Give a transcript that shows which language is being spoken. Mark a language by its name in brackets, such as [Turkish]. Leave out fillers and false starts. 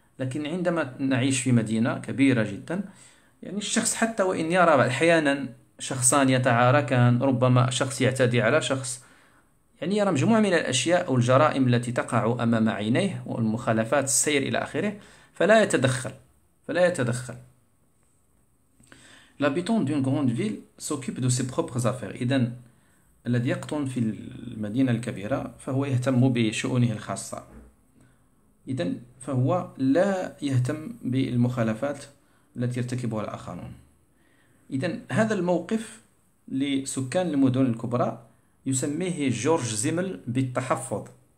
[Arabic] لكن عندما نعيش في مدينة كبيرة جدا، يعني الشخص حتى وإن يرى أحيانا شخصان يتعاركان، ربما شخص يعتدي على شخص، يعني يرى مجموعة من الأشياء أو الجرائم التي تقع أمام عينيه والمخالفات السير إلى آخره، فلا يتدخل. [French] L'habitant d'une grande ville s'occupe de ses propres affaires. [Arabic] إذن الذي يقطن في المدينة الكبيرة فهو يهتم بشؤونه الخاصة. إذن فهو لا يهتم بالمخالفات التي يرتكبها الآخرون. إذن هذا الموقف لسكان المدن الكبرى يسميه جورج زيمل بالتحفظ.